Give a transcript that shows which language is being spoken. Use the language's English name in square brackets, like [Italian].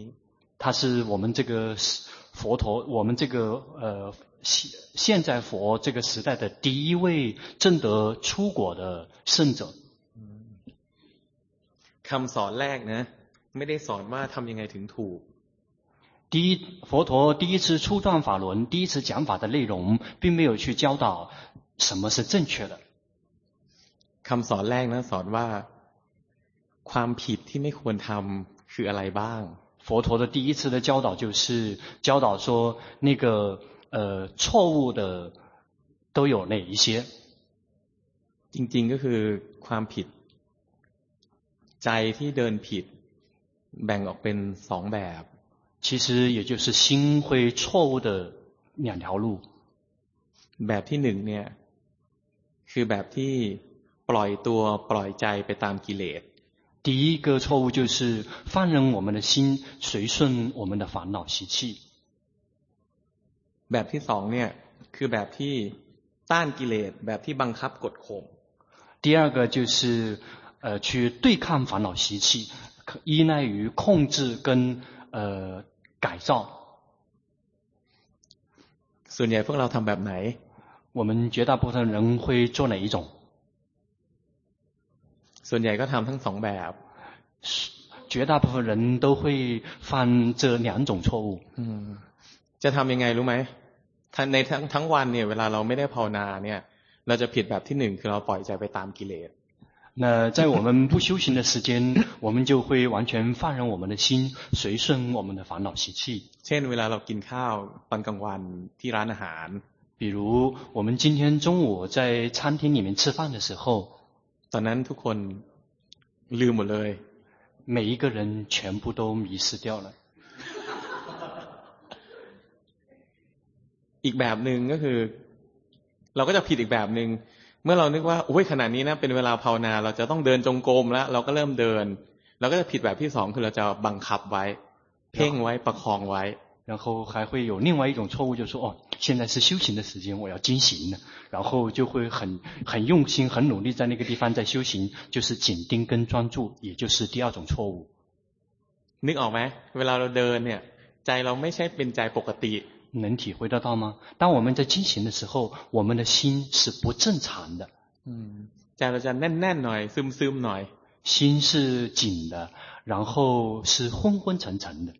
[Chinese] 他是我们这个佛陀我们这个现在佛这个时代的第一位证得出果的圣者 [Thai] คำสอนแรกนะไม่ได้สอนว่าทำยังไงถึงถูก [Chinese] 第一佛陀第一次初段法轮第一次讲法的内容并没有去教导什么是正确的 [Thai] คำสอนแรกนะสอนว่าความผิดที่ไม่ควรทำคืออะไรบ้าง [Chinese] 佛陀的第一次的教导就是教导说那个错误的都有哪一些 [Thai] จริงๆก็คือความผิดใจที่เดินผิดแบ่งออกเป็นสองแบบ [Chinese] 其实也就是心会错误的两条路 [Thai] แบบที่หนึ่งเนี่ยคือแบบที่ปล่อยตัวปล่อยใจไปตามกิเลส [Chinese] 第一个错误就是放任我们的心随顺我们的烦恼习气 [Thai] แบบที่สองเนี่ยคือแบบที่ต้านกิเลสแบบที่บังคับกดข่ม [Chinese] 第二个就是去对抗烦恼习气依赖于控制跟改造 [Thai] ส่วนใหญ่พวกเราทำแบบไหน [Chinese] 我们绝大部分人会做哪一种 [Thai] ส่วนใหญ่ก็ทำทั้งสองแบบ [Chinese] 绝大部分人都会犯这两种错误 [Thai] จะทำยังไงรู้ไหมในทั้งวันเนี่ยเวลาเราไม่ได้ภาวนาเนี่ยเราจะผิดแบบที่หนึ่งคือเราปล่อยใจไปตามกิเลส [Chinese] 那在我们不修行的时间，我们就会完全放任我们的心，随顺我们的烦恼习气。 [Thai] เช่นเวลาเรากินข้าวตอนกลางวันที่ร้านอาหาร， [Chinese] 比如我们今天中午在餐厅里面吃饭的时候， [Thai] ตอนนั้นทุกคนลืมหมดเลย， [Chinese] 每一个人全部都迷失掉了。 [Thai] อีกแบบหนึ่งก็คือเราก็จะผิดอีกแบบหนึ่งเมื่อเรานึกว่าโอ้ยขนาดนี้นะเป็นเวลาภาวนาเราจะต้องเดินจงกรมแล้วเราก็เริ่มเดินเราก็จะผิดแบบที่สองคือเราจะบังคับไว้เพ่งไว้ประคองไว้ [Chinese] 然后还会有另外一种错误就是说哦现在是修行的时间我要精行然后就会很用心很努力在那个地方在修行就是紧盯跟专注也就是第二种错误 [Thai] นึกออกไหมเวลาเราเดินเนี่ยใจเราไม่ใช่เป็นใจปกติ [Chinese] 能体会得到吗？当我们在进行的时候，我们的心是不正常的。 [Thai] 嗯，在那在嫩嫩หน่อย，ซึมซึมหน่อย， [Chinese] 心是紧的，然后是昏昏沉沉的。